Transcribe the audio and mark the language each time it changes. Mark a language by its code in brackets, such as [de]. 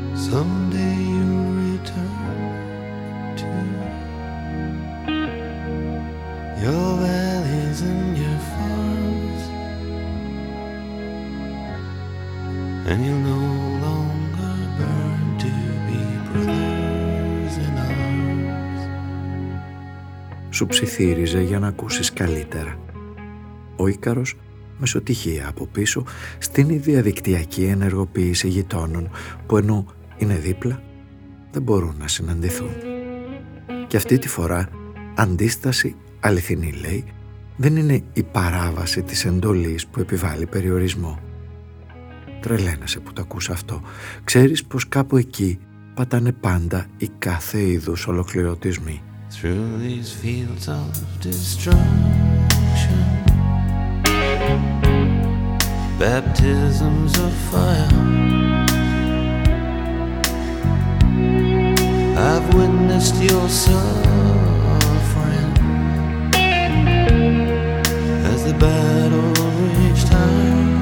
[en] Someday you'll return to your valleys and your farms, and you'll no longer burn to be brothers in arms. [el] Σου ψιθύριζε για να ακούσεις καλύτερα. Ο Ίκαρος μεσοτυχία από πίσω στείνει διαδικτυακή ενεργοποίηση γειτόνων που ενώ είναι δίπλα, δεν μπορούν να συναντηθούν. Και αυτή τη φορά, αντίσταση αληθινή, λέει, δεν είναι η παράβαση της εντολής που επιβάλλει περιορισμό. Τρελαίνεσαι που το ακούς αυτό. Ξέρεις πως κάπου εκεί πατάνε πάντα οι κάθε είδους ολοκληρωτισμοί. [en] Through these fields of destruction, baptisms of fire, I've witnessed your suffering as the battle reached high.